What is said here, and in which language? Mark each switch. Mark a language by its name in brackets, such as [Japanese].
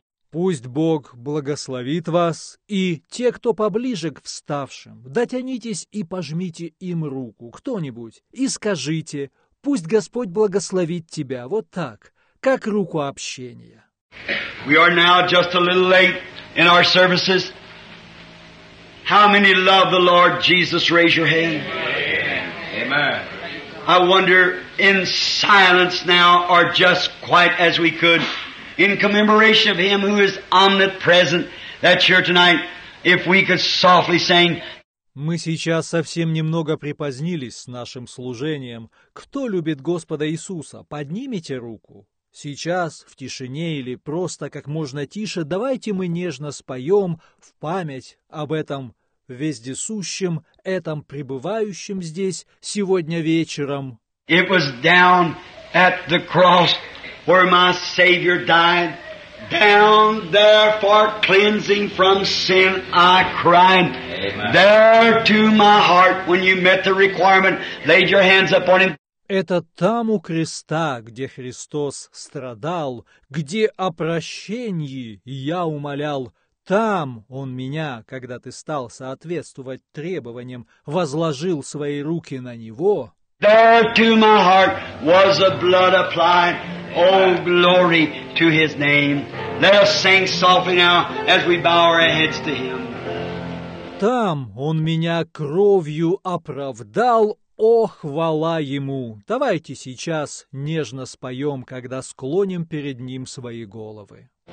[Russian] Пусть Бог благословит вас, и те, кто поближе к вставшим, дотянитесь и пожмите им руку, кто-нибудь, и скажите: «Пусть Господь благословит тебя», вот так, как руку общения. [English] We are now just a little late in our services. How many love the Lord Jesus? Raise your hand. Amen. Amen. I wonder, in silence now, or just quiet as we could, in commemoration of Him who is omnipresent, that's here tonight, if we could softly sing. [Russian] Мы сейчас совсем немного припозднились с нашим служением. Кто любит Господа Иисуса, поднимите руку. Сейчас, в тишине или просто как можно тише, давайте мы нежно споем в память об этом вездесущем, этом пребывающем здесь сегодня вечером. [English] It was down at the cross where my Savior died. Down there for cleansing from sin I cried. Amen. There to my heart when you met the requirement, laid your hands upon Him. [Russian] Это там у креста, где Христос страдал, где о прощении я умолял. Там Он меня, когда ты стал соответствовать требованиям, возложил свои руки на Него. [English] There to my heart was the blood applied. Oh, glory to His name. Let us sing softly now as we bow our heads to Him. [Russian] Там Он меня кровью оправдал. О, хвала Ему! Давайте сейчас нежно споем, когда склоним перед Ним свои головы.